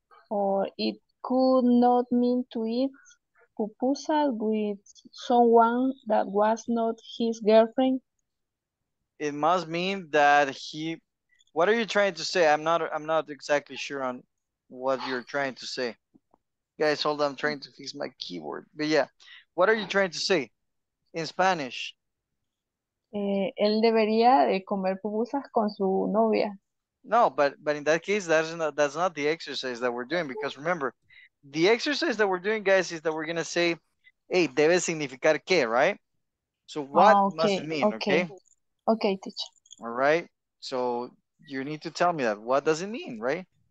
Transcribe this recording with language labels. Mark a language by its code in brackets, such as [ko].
[en] Or it could not mean to eat pupusas with someone that was not his girlfriend. It must mean that he... What are you trying to say? I'm not exactly sure on what you're trying to say. Guys, hold on. I'm trying to fix my keyboard. But yeah, what are you trying to say in Spanish? [es] Él debería de comer pupusas con su novia. [en] No, but in that case, that's not the exercise that we're doing. Because remember, the exercise that we're doing, guys, is that we're going to say, hey, [es] debe significar que, [en] right? So what must it mean, okay? Okay, teacher. All right. So you need to tell me that. What does it mean, right?